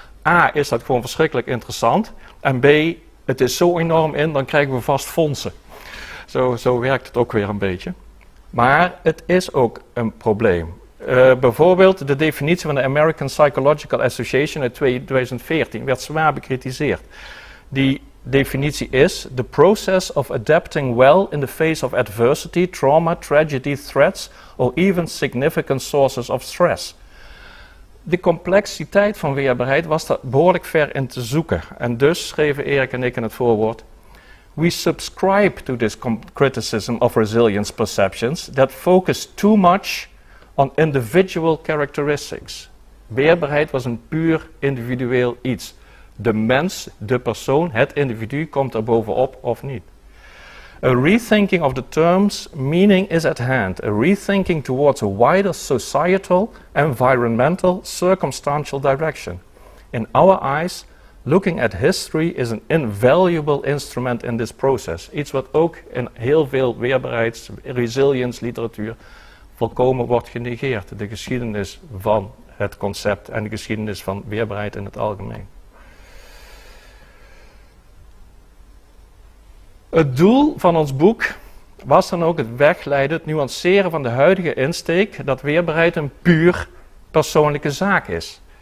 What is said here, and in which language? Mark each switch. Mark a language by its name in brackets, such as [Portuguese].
[Dutch] A, is dat gewoon verschrikkelijk interessant. En B, het is zo enorm in, dan krijgen we vast fondsen. Zo werkt het ook weer een beetje. Maar het is ook een probleem. Bijvoorbeeld de definitie van de American Psychological Association uit 2014 werd zwaar bekritiseerd. Die definitie is: [English] the process of adapting well in the face of adversity, trauma, tragedy, threats, or even significant sources of stress. [Dutch] De complexiteit van weerbaarheid was daar behoorlijk ver in te zoeken. En dus schreven Erik en ik in het voorwoord: [English] we subscribe to this criticism of resilience perceptions that focus too much on individual characteristics. [Dutch] Weerbaarheid was een puur individueel iets. De mens, de persoon, het individu komt er bovenop of niet. [English] A rethinking of the terms meaning is at hand. A rethinking towards a wider societal, environmental, circumstantial direction. In our eyes, looking at history is an invaluable instrument in this process. [Dutch] Iets wat ook in heel veel weerbaarheids- resilience literatuur volkomen wordt genegeerd. De geschiedenis van het concept en de geschiedenis van weerbaarheid in het algemeen. Het doel van ons boek was dan ook het wegleiden, het nuanceren van de huidige insteek dat weerbaarheid een puur persoonlijke zaak is.